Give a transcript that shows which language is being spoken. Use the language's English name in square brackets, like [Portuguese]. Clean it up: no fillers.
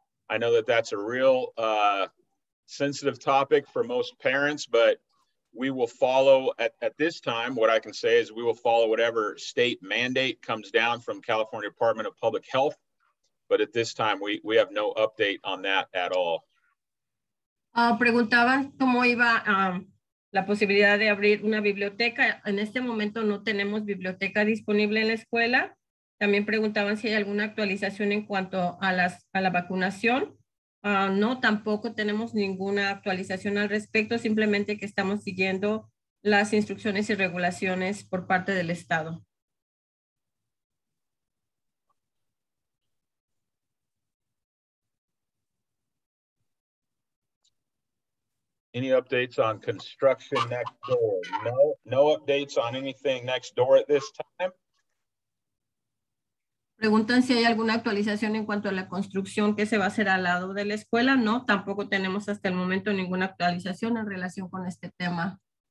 [English] I know that that's a real sensitive topic for most parents, but we will follow at this time. What I can say is we will follow whatever state mandate comes down from California Department of Public Health. But at this time, we have no update on that at all. [Spanish] Preguntaban cómo iba la posibilidad de abrir una biblioteca. En este momento no tenemos biblioteca disponible en la escuela. También preguntaban si hay alguna actualización en cuanto a la vacunación. No, tampoco tenemos ninguna actualización al respecto, simplemente que estamos siguiendo las instrucciones y regulaciones por parte del Estado. [English] Any updates on construction next door? No updates on anything next door at this time. [Spanish] Preguntan si hay alguna actualización en cuanto a la construcción que se va a hacer al lado de la escuela. No, tampoco tenemos hasta el momento ninguna actualización en relación con este tema.